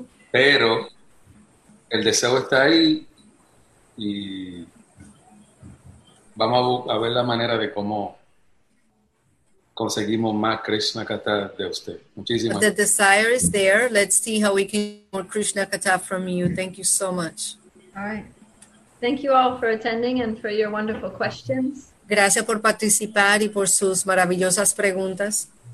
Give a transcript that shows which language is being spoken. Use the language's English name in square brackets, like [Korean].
[Spanish] Pero el deseo está ahí y vamos a ver la manera de cómo conseguimos más Krishna Katha de usted. Muchísimas gracias. [English] The desire is there. Let's see how we can get more Krishna Katha from you. Thank you so much. All right. Thank you all for attending and for your wonderful questions. [Spanish] Gracias por participar y por sus maravillosas preguntas.